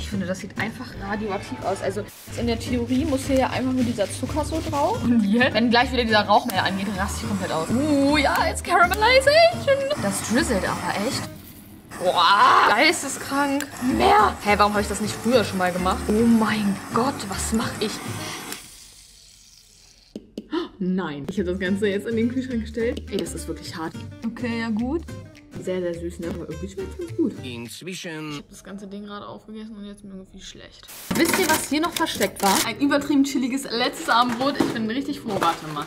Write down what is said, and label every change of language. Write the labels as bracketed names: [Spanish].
[German] Ich finde, das sieht einfach radioaktiv aus. Also in der Theorie muss hier ja einfach nur dieser Zucker so drauf. Und jetzt? Wenn gleich wieder dieser Rauch mehr angeht, raste ich komplett aus. [English] Ja, it's caramelization. [German] Das drizzelt aber echt. Boah, geisteskrank. Mehr. Hä, warum habe ich das nicht früher schon mal gemacht? Oh mein Gott, was mache ich? Nein. Ich habe das Ganze jetzt in den Kühlschrank gestellt. Ey, das ist wirklich hart. Okay, ja gut. Sehr, sehr süß, ne? Aber irgendwie schmeckt es gut. Inzwischen. Ich habe das ganze Ding gerade aufgegessen und jetzt bin ich irgendwie schlecht. Wisst ihr, was hier noch versteckt war? Ein übertrieben chilliges letztes Abendbrot. Ich bin richtig froh, warte mal.